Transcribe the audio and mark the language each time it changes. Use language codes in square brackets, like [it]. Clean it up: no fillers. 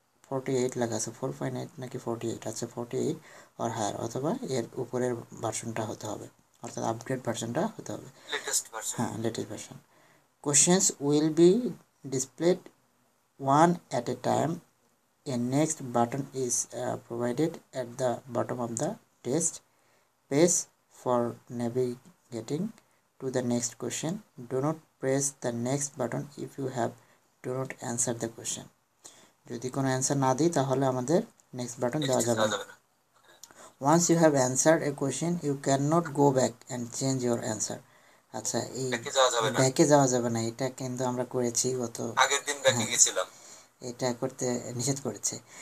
[bn] 48 লেখা আছে, 4.8 নাকি 48, আচ্ছা 48 আর হায়ার অথবা এর উপরের ভার্সনটা হতে হবে, অর্থাৎ আপগ্রেড ভার্সনটা হতে হবে, লেটেস্ট ভার্সন হ্যাঁ latest version. [en] Questions will be displayed one at a time A next button is provided at the bottom of the test page for navigating to the next question. Do not press the next button if you have do not answered the question. [bn] যদি কোনো answer না দিই তাহলে আমাদের next button দেওয়া যাবে না। [en] Once you have answered a question you can not go back and change your answer. [bn] আচ্ছা, এই ব্যাকে যাওয়া যাবে না, এটা কিন্তু আমরা করেছি গত আগের দিন ব্যাকে হ্যাঁ গেছিলাম। এটা করতে নিষেধ করেছে।